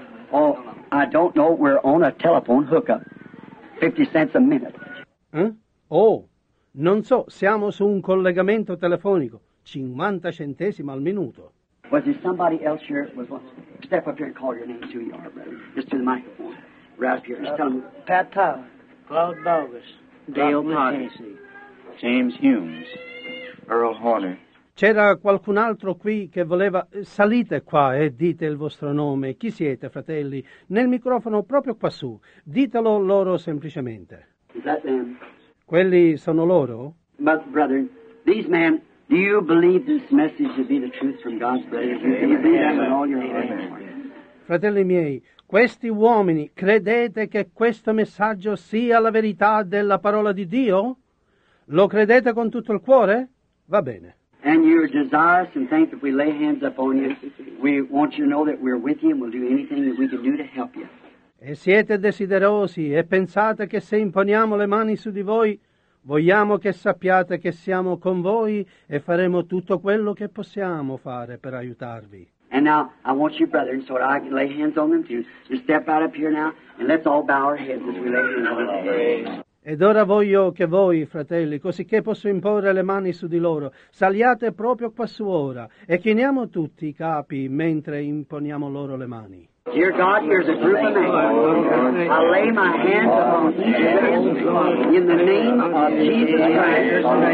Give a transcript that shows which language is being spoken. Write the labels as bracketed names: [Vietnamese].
[English] Oh, I don't know, we're on a telephone hookup. 50 cents a minute. Eh? [Italian] Oh, non so, siamo su un collegamento telefonico. 50 centesimi al minuto. [English] Was there somebody else here? Was one? Step up here and call your name to your brother. Just to the microphone. Right up here. Just tell them. Pat Tower. Claude Bogus. Dale McKenzie. James Humes. Earl Horner. [Italian] C'era qualcun altro qui che voleva... Salite qua e dite il vostro nome. Chi siete, fratelli? Nel microfono proprio quassù. Ditelo loro semplicemente. [English] Is that them? [Italian] Quelli sono loro? [English] But, brother, these men... Do you believe this message to be the truth from God's word? Do you believe that with all your heart? [Italian] Fratelli miei, questi uomini, credete che questo messaggio sia la verità della parola di Dio? Lo credete con tutto il cuore? Va bene. [English] And you're desirous and think that we lay hands upon you. We want you to know that we're with you and we'll do anything that we can do to help you. [Italian] E siete desiderosi e pensate che se imponiamo le mani su di voi, vogliamo che sappiate che siamo con voi e faremo tutto quello che possiamo fare per aiutarvi. [English] And now I want you, brethren, so that I can lay hands on them too. You step out up here now and let's all bow our heads as we lay hands on them. [Italian] Ed ora voglio che voi, fratelli, cosicché posso imporre le mani su di loro, saliate proprio quassù ora e chiniamo tutti i capi mentre imponiamo loro le mani. [English] Dear God, here's a group of men. I lay my hands upon each of them in the name of Jesus Christ.